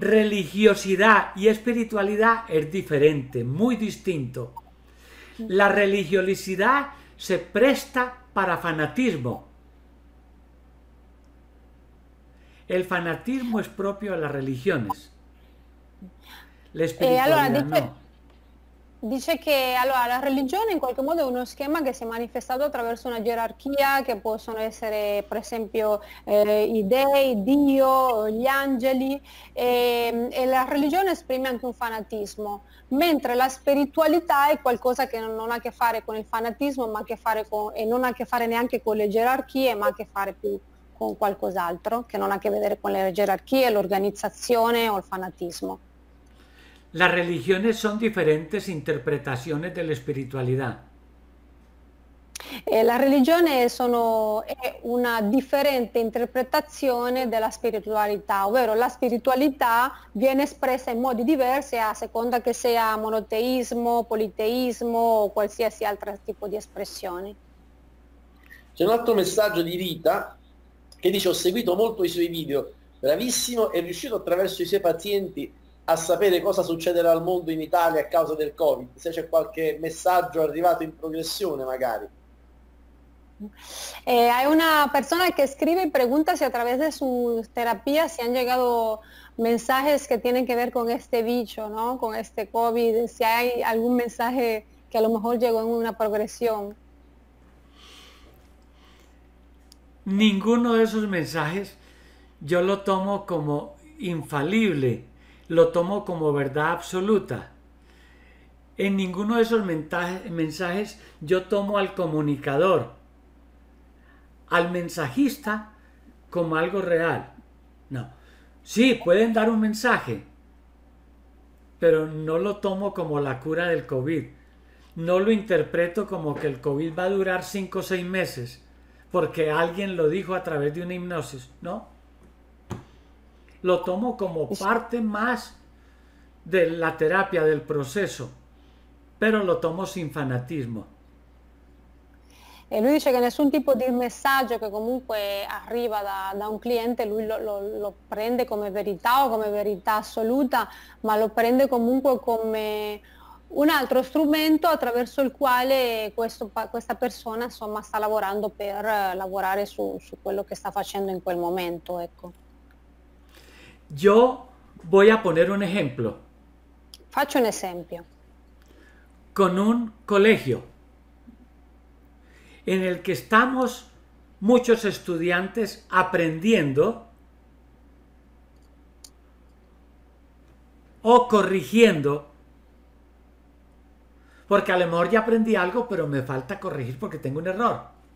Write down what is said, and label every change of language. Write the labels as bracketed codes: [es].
[es] Religiosidad y espiritualidad es diferente, muy distinto. La religiosidad se presta para fanatismo. El fanatismo es propio a las religiones. La [it] Allora, [es] espiritualidad no. [it] dice che allora, la religione in qualche modo è uno schema che si è manifestato attraverso una gerarchia che possono essere, per esempio, i dèi, Dio, gli angeli, e la religione esprime anche un fanatismo, mentre la spiritualità è qualcosa che non ha a che fare con il fanatismo, ma a che fare con, e non ha a che fare neanche con le gerarchie, ma ha a che fare più con qualcos'altro, che non ha a che vedere con le gerarchie, l'organizzazione o il fanatismo. [es] Las religiones son diferentes interpretaciones de la espiritualidad. [it] La religione è una differente interpretazione della spiritualità, ovvero la spiritualità viene espressa in modi diversi a seconda che sia monoteismo, politeismo o qualsiasi altro tipo di espressione. C'è un altro messaggio di Rita che dice: ho seguito molto i suoi video, bravissimo, è riuscito attraverso i suoi pazienti a sapere cosa succederà al mondo in Italia a causa del Covid, se c'è qualche messaggio arrivato in progressione, magari. [es] Hay una persona que escribe y pregunta si a través de su terapia se han llegado mensajes que tienen que ver con este bicho, ¿no? Con este COVID, si hay algún mensaje que a lo mejor llegó en una progresión. Ninguno de esos mensajes yo lo tomo como infalible. Lo tomo como verdad absoluta. En ninguno de esos mensajes yo tomo al comunicador, al mensajista, como algo real. No. Sí, pueden dar un mensaje, pero no lo tomo como la cura del COVID. No lo interpreto como que el COVID va a durar 5 o 6 meses, porque alguien lo dijo a través de una hipnosis. No. Lo tomo como parte más de la terapia, del proceso, pero lo tomo sin fanatismo. [it] E lui dice che nessun tipo di messaggio che comunque arriva da un cliente, lui lo prende come verità o come verità assoluta, ma lo prende comunque come un altro strumento attraverso il quale questa persona insomma sta lavorando per lavorare su quello che sta facendo in quel momento, ecco. [es] Yo voy a poner un ejemplo. [it] Faccio un esempio. [es] Con un colegio en el que estamos muchos estudiantes aprendiendo o corrigiendo, porque a lo mejor ya aprendí algo, pero me falta corregir porque tengo un error.